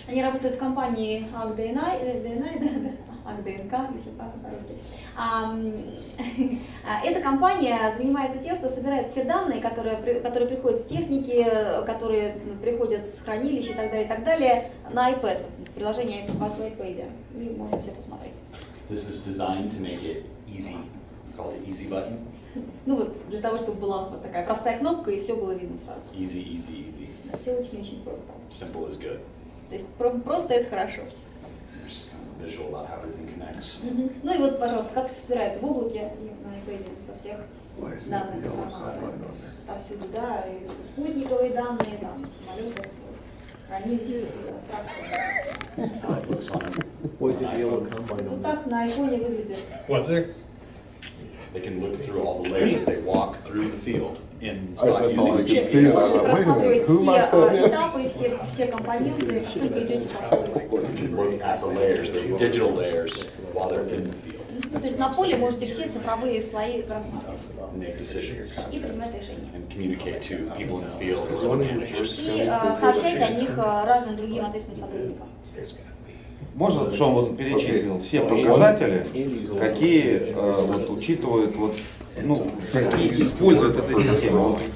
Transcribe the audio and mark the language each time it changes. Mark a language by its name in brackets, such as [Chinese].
[Russian] Они работают с компанией AgDNA. Эта компания занимается тем, что собирает все данные, которые приходят с техники, которые приходят с хранилища и так далее, на iPad. Приложение iPad в iPad, и можно все посмотреть. [English] This is designed to make it easy, called the easy button. [Russian] Ну вот, для того, чтобы была вот такая простая кнопка, и все было видно сразу. [English] Easy, easy, easy. [Russian] Да, все очень-очень просто. [English] Simple is good. [Russian] То есть просто это хорошо. [English] There's kind of a visual about how everything connects. [Russian] Ну и вот, пожалуйста, как все собирается в облаке, на iPad, со всех данных информации. Там все, да, и спутниковые данные, там, самолеты. [English] What's there? They can look through all the layers as they walk through the field in using all can see GPS. Wait a minute, who am I talking to? You can look at the layers, the digital layers, while they're in the field. [Russian] Ну, то есть на поле можете все цифровые слои разматывать. И принимать решения. И сообщать о них разным другим ответственным сотрудникам. Можно, чтобы он перечислил все показатели, какие вот, учитывают, вот, ну, какие используют эту систему?